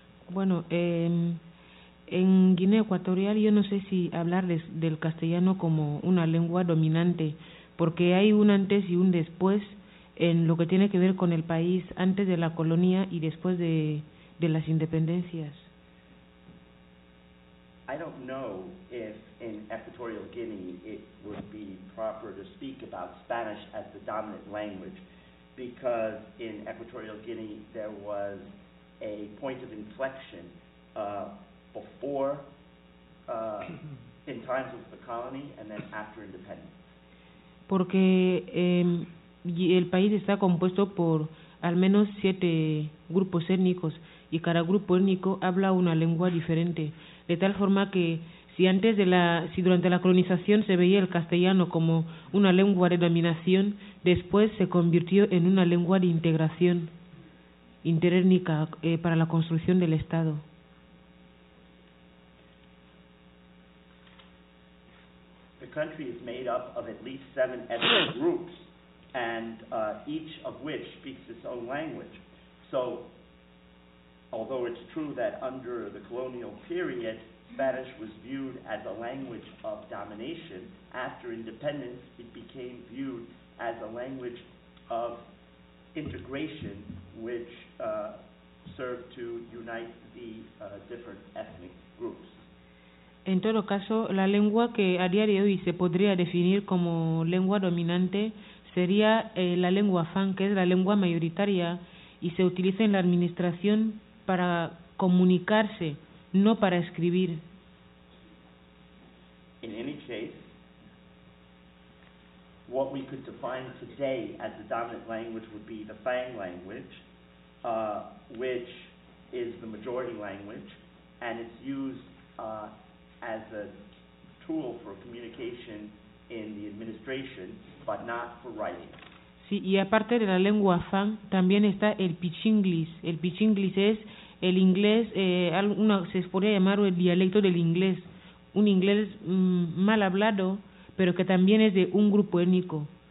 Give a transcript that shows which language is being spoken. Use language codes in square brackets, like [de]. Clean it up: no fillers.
[es] Bueno, en Guinea Ecuatorial yo no sé si hablar del castellano como una lengua dominante, porque hay un antes y un después en lo que tiene que ver con el país antes de la colonia y después de las independencias. [en] I don't know if in Equatorial Guinea it would be proper to speak about Spanish as the dominant language, because in Equatorial Guinea there was a point of inflection before in times of the colony and then after independence. [es] Porque el país está compuesto por al menos 7 grupos étnicos y cada grupo étnico habla una lengua diferente, de tal forma que si durante la colonización se veía el castellano como una lengua de dominación, después se convirtió en una lengua de integración interétnica para la construcción del Estado. [en] The country is made up of at least 7 ethnic groups, and each of which speaks its own language. So although it's true that under the colonial period, Spanish was viewed as a language of domination, after independence, it became viewed as a language of integration, which served to unite the different ethnic groups. [es] En todo caso, la lengua que a día de hoy se podría definir como lengua dominante sería la lengua fang, que es la lengua mayoritaria y se utiliza en la administración para comunicarse, no para escribir. [en] In any case, what we could define today as the dominant language would be the Fang language, which is the majority language, and it's used as a tool for communication in the administration, but not for writing. [es] Sí, y aparte de la lengua Fang, también está el Pichinglish. El Pichinglish es el inglés, se podría llamar el dialecto del inglés. Un inglés mal hablado, pero que también es de un grupo étnico.